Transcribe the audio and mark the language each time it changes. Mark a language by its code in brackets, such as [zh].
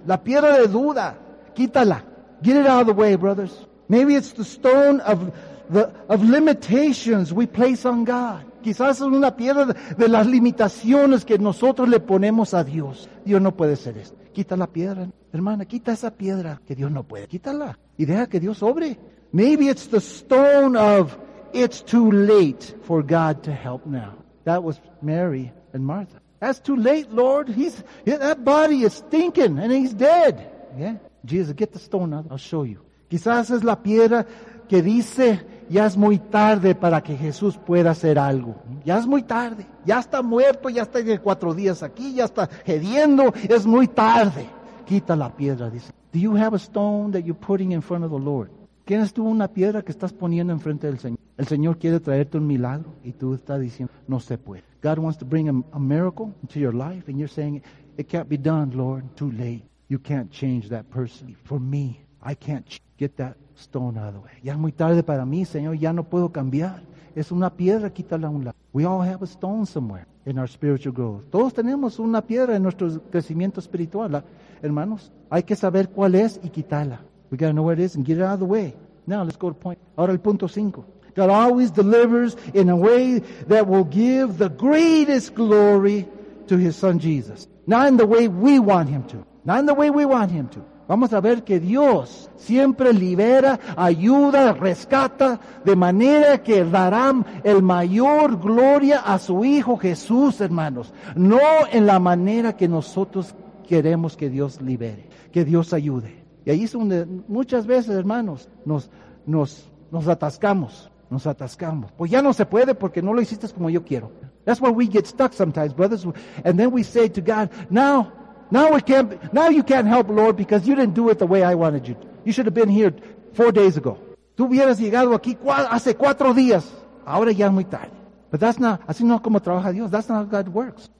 [es] La piedra de duda. Quítala. [en] Get it out of the way, brothers. Maybe it's the stone of limitations we place on God. [es] Quizás es una piedra de las limitaciones que nosotros le ponemos a Dios. Dios no puede hacer esto. Quita la piedra. Hermana, quita esa piedra que Dios no puede. Quítala. Y deja que Dios obre. [en] Maybe it's the stone of it's too late for God to help now. That was Mary and Martha. "That's too late, Lord. That body is stinking and he's dead." Yeah. Jesus, "Get the stone out. I'll show you." [es] Quizás es la piedra que dice, "Ya es muy tarde para que Jesús pueda hacer algo. Ya es muy tarde. Ya está muerto. Ya está 4 días aquí. Ya está hediendo. Es muy tarde." Quita la piedra, dice. [en] Do you have a stone that you're putting in front of the Lord? [es] ¿Tienes tú una piedra que estás poniendo en frente del Señor? El Señor quiere traerte un milagro y tú estás diciendo, no se puede. [en] God wants to bring a miracle into your life and you're saying, "It can't be done, Lord. Too late. You can't change that person. For me, I can't get that stone out of the way." [es] Ya es muy tarde para mí, Señor. Ya no puedo cambiar. Es una piedra, quítala a un lado. [en] We all have a stone somewhere in our spiritual growth. [es] Todos tenemos una piedra en nuestro crecimiento espiritual. Hermanos, hay que saber cuál es y quitarla. [en] We got to know where it is and get it out of the way. Now, let's go to point. [es] Ahora el punto 5. [en] God always delivers in a way that will give the greatest glory to his son Jesus. Not in the way we want him to. [es] Vamos a ver que Dios siempre libera, ayuda, rescata, de manera que dará el mayor gloria a su Hijo Jesús, hermanos. No en la manera que nosotros queremos que Dios libere, que Dios ayude. Y ahí es donde muchas veces, hermanos, nos atascamos. Pues ya no se puede porque no lo hiciste como yo quiero. [en] That's where we get stuck sometimes, brothers. And then we say to God, Now you can't help, Lord, because you didn't do it the way I wanted you. You should have been here 4 days ago. [es] Tú hubieras llegado aquí hace 4 días. Ahora ya es muy tarde. [en] But that's not, [es] así no como trabaja Dios. [en] That's not how God works.